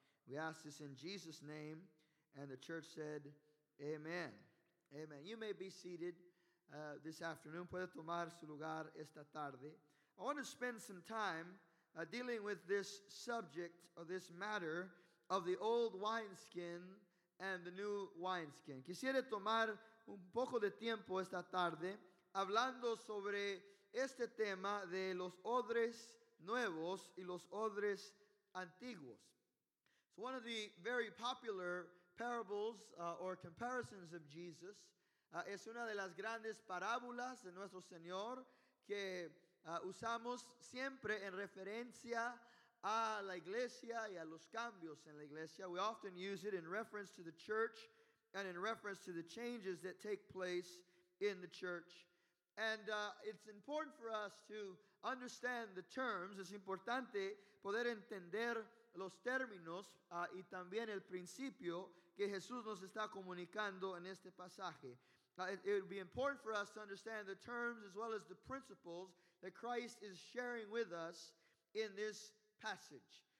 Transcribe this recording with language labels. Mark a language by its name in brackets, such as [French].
[English] We ask this in Jesus' name, and the church said, amen. Amen. You may be seated this afternoon. [Spanish] Puede tomar su lugar esta tarde. [English] I want to spend some time dealing with this subject or this matter of the old wineskin and the new wineskin. [Spanish] Quisiera tomar un poco de tiempo esta tarde hablando sobre este tema de los odres nuevos y los odres antiguos. [English] So one of the very popular parables or comparisons of Jesus [Spanish] es una de las grandes parábolas de nuestro Señor que usamos siempre en referencia a la iglesia y a los cambios en la iglesia. [English] We often use it in reference to the church and in reference to the changes that take place in the church. And it's important for us to understand the terms. [Spanish] Es importante poder entender los términos y también el principio que Jesús nos está comunicando en este pasaje. [English] It would be important for us to understand the terms as well as the principles that Christ is sharing with us in this passage.